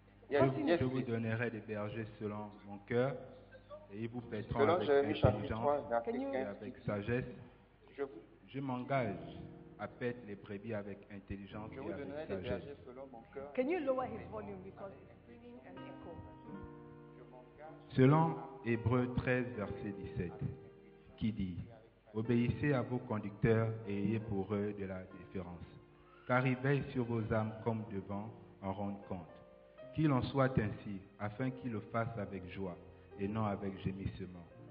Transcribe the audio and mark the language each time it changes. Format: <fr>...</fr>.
<fr>je vous donnerai des bergers selon mon cœur, et ils vous paîtront avec intelligence et avec sagesse. Je m'engage à paître les brebis avec intelligence et avec sagesse.</fr> <en>Can you lower his volume because it's bringing an echo?</en> <fr>Selon Hébreux 13, verset 17, qui dit, obéissez à vos conducteurs et ayez pour eux de la déférence, car ils veillent sur vos âmes comme devant en rendre compte. Qu'il en soit ainsi, afin qu'ils le fassent avec joie et non avec gémissement.</fr>